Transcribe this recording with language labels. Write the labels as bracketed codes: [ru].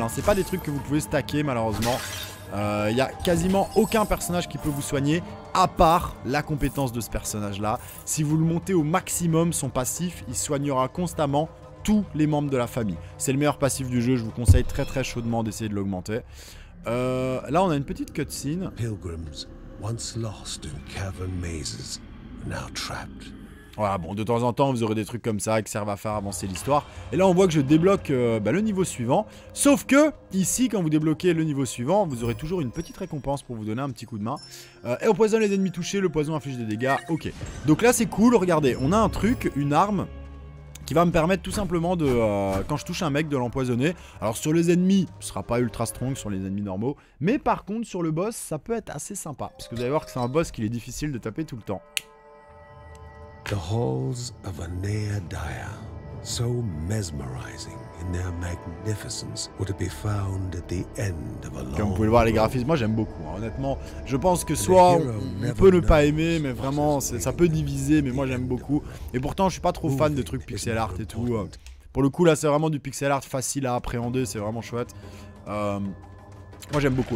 [fr] Hein. C'est pas des trucs que vous pouvez stacker malheureusement. Il y a quasiment aucun personnage qui peut vous soigner à part la compétence de ce personnage là. Si vous le montez au maximum son passif, il soignera constamment tous les membres de la famille. C'est le meilleur passif du jeu, je vous conseille très très chaudement d'essayer de l'augmenter. Là on a une petite cutscene. [en] Pilgrims, once lost in cavern mazes, now trapped. [fr] Voilà, bon, de temps en temps, vous aurez des trucs comme ça qui servent à faire avancer l'histoire. Et là, on voit que je débloque le niveau suivant. Sauf que, ici, quand vous débloquez le niveau suivant, vous aurez toujours une petite récompense pour vous donner un petit coup de main. Et on poisonne les ennemis touchés, le poison inflige des dégâts. Ok. Donc là, c'est cool, regardez. On a un truc, une arme, qui va me permettre tout simplement de, quand je touche un mec, de l'empoisonner. Alors, sur les ennemis, ce sera pas [en] ultra strong [fr] sur les ennemis normaux. Mais par contre, sur le boss, ça peut être assez sympa. Parce que vous allez voir que c'est un boss qu'il est difficile de taper tout le temps. [en] The halls of Anea Dia, so mesmerizing in their magnificence, were to be found at the end of a long. [fr] Comme vous pouvez le voir, les graphismes, moi j'aime beaucoup. Hein. Honnêtement, je pense que soit on peut ne pas aimer, mais vraiment, ça peut diviser. Mais moi j'aime beaucoup. Et pourtant, je suis pas trop fan de trucs pixel art et tout. Pour le coup, là, c'est vraiment du pixel art facile à appréhender. C'est vraiment chouette. Moi j'aime beaucoup.